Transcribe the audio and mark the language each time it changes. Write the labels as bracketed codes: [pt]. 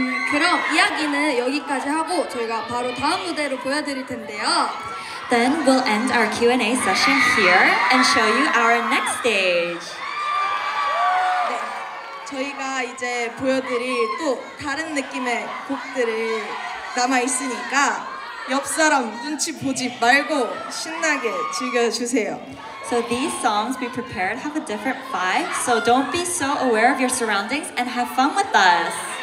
[ko] 그럼 이야기는 여기까지 하고 저희가 바로 다음 무대로 보여드릴 텐데요. [en] Then we'll end our Q&A session here and show you our next stage. [ko] 네, 저희가 이제 보여드릴 또 다른 느낌의 곡들을 남아 있으니까 옆 사람 눈치 보지 말고 신나게 즐겨주세요. [en] So these songs we prepared have a different vibe, so don't be so aware of your surroundings and have fun with us.